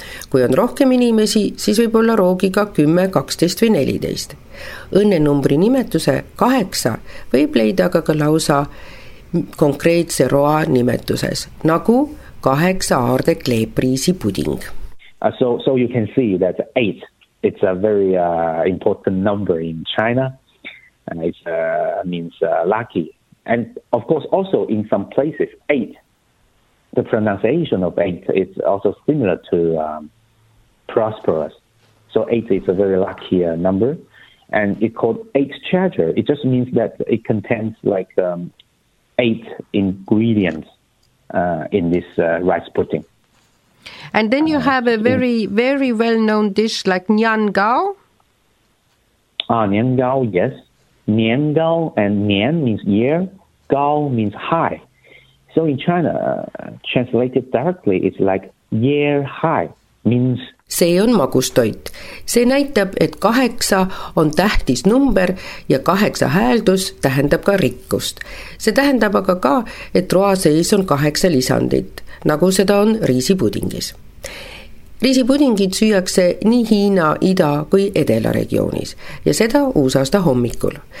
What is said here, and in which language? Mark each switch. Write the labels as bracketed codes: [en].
[et] Kui on rohkem inimesi, siis võib olla roogiga 10, 12 või 14. Õnne numbri nimetuse 8 võib leida aga ka lausa konkreetse roa nimetuses, nagu 8 aarde kleepriisi puding. [en] So you can see that 8, it's a very important number in China, and it means lucky. And of course also in some places 8, the pronunciation of 8 is also similar to prosperous. So 8 is a very lucky number, and it's called 8 treasure. It just means that it contains like 8 ingredients in this rice pudding. And then you have a very, very well-known dish like Nian Gao. Nian Gao, yes. Nian Gao, and Nian means year, Gao means high. So in China, translated directly, it's like year high means... [et] See on magustoit. See näitab, et 8 on tähtis number ja 8 hääldus tähendab ka rikkust. See tähendab aga ka, et roa sees on 8 lisandit, nagu seda on riisipudingis. Riisipudingid süüakse nii Hiina, Ida kui Edela regioonis ja seda uusaasta hommikul.